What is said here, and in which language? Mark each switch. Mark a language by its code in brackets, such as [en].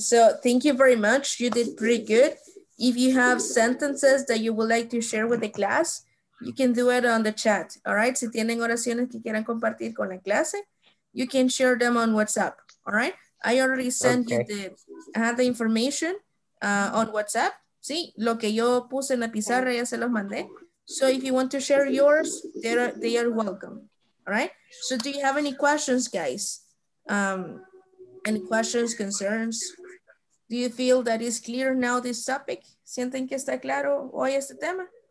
[en] So, thank you very much. You did pretty good. If you have sentences that you would like to share with the class, You can do it on the chat, all right? [es] Si tienen oraciones que quieran compartir con la clase, [en] you can share them on WhatsApp, all right? I already sent you the information on WhatsApp. [es] Sí, lo que yo puse en la pizarra ya se los mandé. [en] So if you want to share yours, they are welcome, all right? So do you have any questions, guys? Any questions, concerns? Do you feel that it's clear now, this topic? [es] ¿Sienten que está claro hoy este tema?